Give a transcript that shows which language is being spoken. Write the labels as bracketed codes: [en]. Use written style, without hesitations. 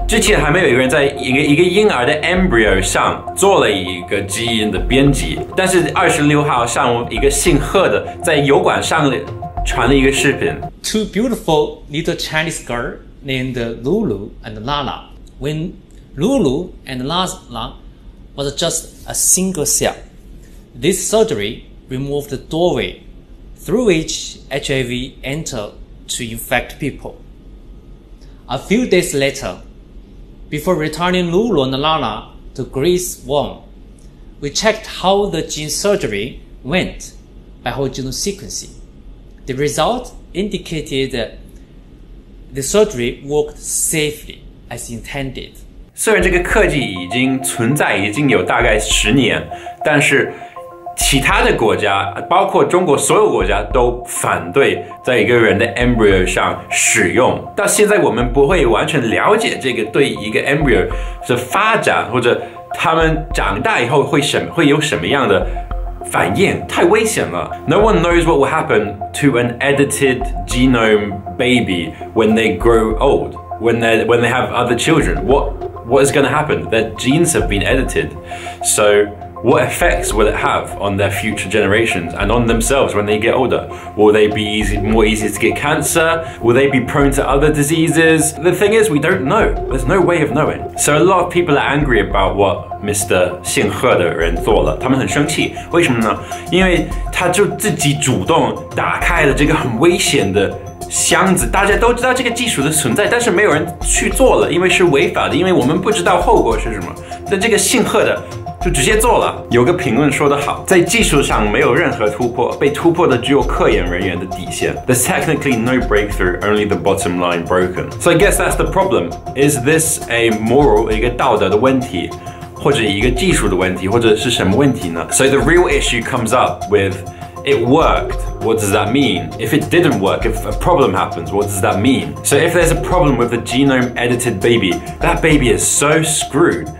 [zh] 之前还没有一个人在一个婴儿的 embryo 上做了一个基因的编辑，但是26号上午，一个姓贺的在油管上传了一个视频。 [en] Two beautiful little Chinese girl named Lulu and Lala. When Lulu and Lala was just a single cell, this surgery removed the doorway through which HIV entered to infect people. A few days later, before returning Lulu and Lala to Greece warm, we checked how the gene surgery went by whole genome sequencing. The result indicated that the surgery worked safely as intended. [zh] 虽然这个科技已经存在已经有大概10年，但是其他的国家，包括中国所有国家都反对在一个人的 embryo 上使用。到现在我们不会完全了解这个对一个 embryo 的发展，或者他们长大以后会有什么样的反应，太危险了。 [en] No one knows what will happen to an edited genome baby when they grow old, when they have other children. What is going to happen? Their genes have been edited. SoWhat effects will it have on their future generations and on themselves when they get older? Will they be more easy to get cancer? Will they be prone to other diseases? The thing is, we don't know. There's no way of knowing. So a lot of people are angry about what Mr. [zh] 姓贺的人做了。他们很生气，为什么呢？因为他就自己主动打开了这个很危险的箱子。大家都知道这个技术的存在，但是没有人去做了，因为是违法的，因为我们不知道后果是什么。但这个姓贺的就直接做了。有个评论说得好，在技术上没有任何突破，被突破的只有科研人员的底线。 [en] There's technically no breakthrough, only the bottom line broken. So I guess that's the problem. Is this a moral, [zh] 一个道德的问题，或者一个技术的问题，或者是什么问题呢？ [en] So the real issue comes up with, it worked, what does that mean? If it didn't work, if a problem happens, what does that mean? So if there's a problem with the genome edited baby, that baby is so screwed.